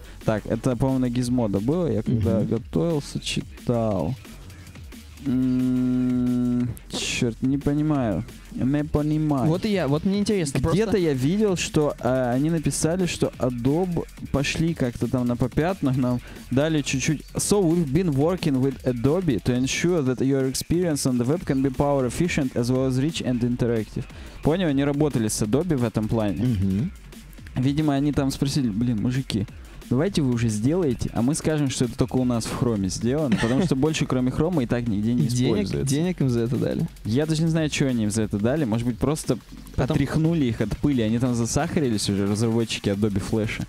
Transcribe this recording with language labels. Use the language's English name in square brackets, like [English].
[Russian] Так, это, по-моему, на Gizmodo было, я когда готовился, читал. Черт, не понимаю. Не понимаю. Вот и я, вот мне интересно. Где-то просто... я видел, что они написали, что Adobe пошли как-то там на попятную, нам дали чуть-чуть. [English] So we've been working with Adobe to ensure that your experience on the web can be power efficient as well as rich and interactive. [Russian] Понял, они работали с Adobe в этом плане. Mm-hmm. Видимо, они там спросили, блин, мужики, давайте вы уже сделаете, а мы скажем, что это только у нас в Хроме сделано, потому что больше, кроме Хрома, и так нигде не используется. Денег им за это дали. Я даже не знаю, что они им за это дали. Может быть, просто отряхнули их от пыли, они там засахарились уже, разработчики Adobe Flash.